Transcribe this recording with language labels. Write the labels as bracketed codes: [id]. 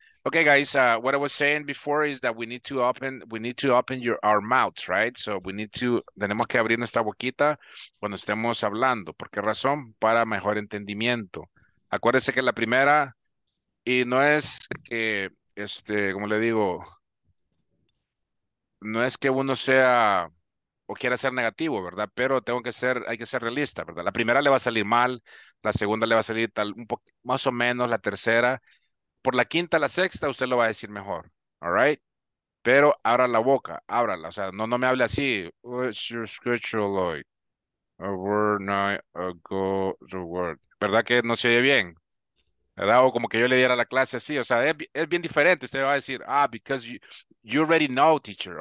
[en] Okay, guys, what I was saying before is that we need to open our mouths, right? So we need to, [es] tenemos que abrir nuestra boquita cuando estemos hablando. ¿Por qué razón? Para mejor entendimiento. Acuérdense que la primera, y no es que, como le digo, no es que uno sea o quiera ser negativo, ¿verdad? Pero tengo que ser, hay que ser realista, ¿verdad? La primera le va a salir mal, la segunda le va a salir tal, un poco más o menos, la tercera. Por la quinta, la sexta, usted lo va a decir mejor. [en] All right? [es] Pero abra la boca. Ábrala. O sea, no me hable así. [en] What's your schedule like? A word night ago, the word. [es] ¿Verdad que no se oye bien? ¿Verdad? O como que yo le diera la clase así. O sea, es bien diferente. Usted va a decir, ah, [en] because you already know, teacher.